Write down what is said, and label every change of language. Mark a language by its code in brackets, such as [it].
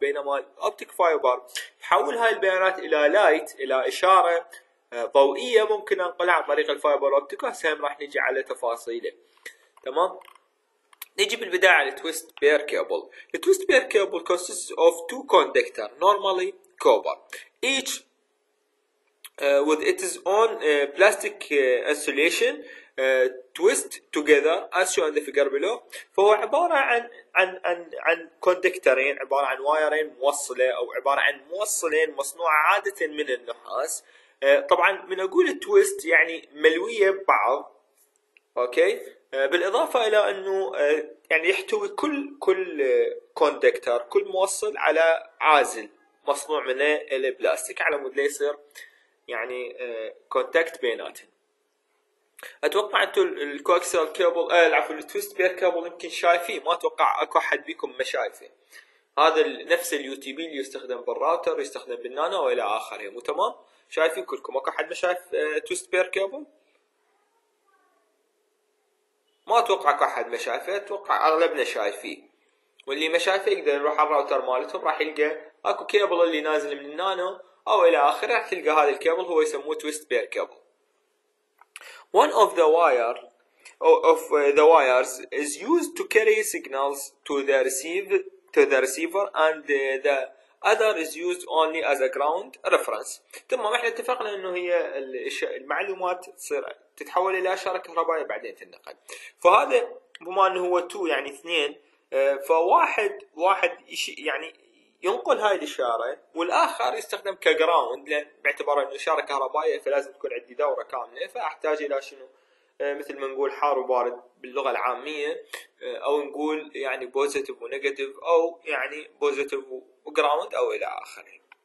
[ar] بينما الاوبتيك فايبر يحول هاي البيانات الى لايت، الى اشاره ضوئيه ممكن انقلها عن طريق الفايبر اوبتيك، وهسه راح نجي على تفاصيله تمام. نجي بالبدايه على [en] التويست pair cable. التويست pair cable consist of two conductor normally copper, each with its own plastic insulation twist together as shown in the figure below. [ar] فهو عبارة عن عن عن عن كوندكترين, عبارة عن وايرين موصلة أو عبارة عن موصلين مصنوعة عادة من النحاس. طبعا من أقول التويست يعني ملوية ببعض, أوكي, بالإضافة إلى أنه يعني يحتوي كل كوندكتر, كل موصل على عازل مصنوع من البلاستيك على مود ليصير يعني كونتاكت بيناتهم. أتوقع أنتوا الكوكسل كابل, العفو التويست بير كابل يمكن شايفين, ما أتوقع أكو أحد بيكم ما شايفه. هذا نفس اليو تي بي اللي يستخدم بالراوتر, يستخدم بالنانو وإلى آخره, مو تمام؟ شايفين كلكم, أكو أحد ما شايف تويست بير كابل؟ ما أتوقع أكو أحد ما شايفه, أتوقع أغلبنا شايفيه, واللي ما شايفه يقدر يروح على الراوتر مالتهم, راح يلقى أكو كابل اللي نازل من النانو أو إلى آخره, راح تلقى هذا الكابل هو يسموه تويست بير كابل. [en] One of the wires is used to carry signals to the receiver, and the other is used only as a ground reference. [ar] تمام, احنا اتفقنا انه هي المعلومات تصير تتحول الى اشارة كهربائية بعدين تنقل. فهذا بما انه هو 2 يعني 2, فواحد يعني ينقل هاي الاشارة والاخر يستخدم كجراوند, لان باعتبار انه اشارة كهربائية فلازم تكون عندي دورة كاملة, فاحتاج الى شنو مثل ما نقول حار وبارد باللغة العامية, او نقول يعني بوزيتيف ونيجاتيف, او يعني بوزيتيف وجراوند او الى اخره.